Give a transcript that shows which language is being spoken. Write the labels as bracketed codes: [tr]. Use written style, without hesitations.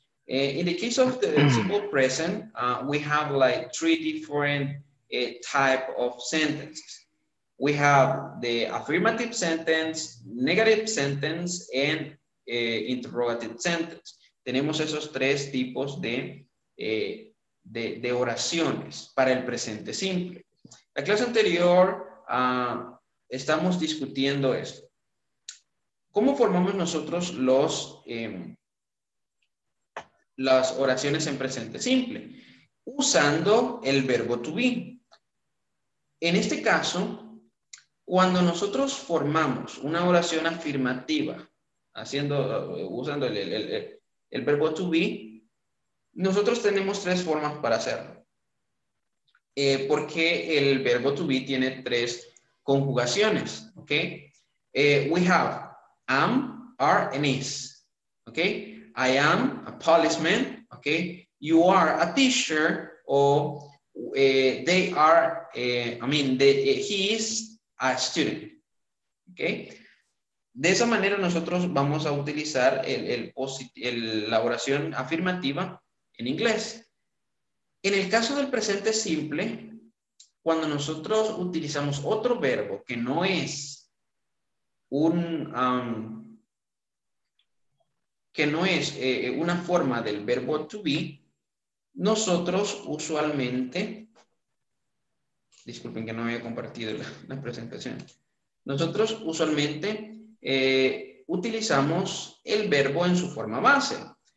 [en] In the case of the simple present, we have like three different type of sentences. We have the affirmative sentence, negative sentence, and interrogative sentence. [es] Tenemos esos tres tipos de oraciones para el presente simple. La clase anterior estamos discutiendo esto. ¿Cómo formamos nosotros las oraciones en presente simple? Usando el verbo to be. En este caso, cuando nosotros formamos una oración afirmativa, usando el verbo to be, nosotros tenemos tres formas para hacerlo. Porque el verbo to be tiene tres conjugaciones, ¿ok? [en] We have am, are, and is, ¿ok? I am a policeman, ¿ok? You are a teacher, o they are, he is a student, ¿ok? [es] De esa manera nosotros vamos a utilizar la oración afirmativa en inglés. En el caso del presente simple, cuando nosotros utilizamos otro verbo que no es una forma del verbo to be, nosotros usualmente, disculpen que no había compartido la presentación, nosotros usualmente utilizamos el verbo en su forma base.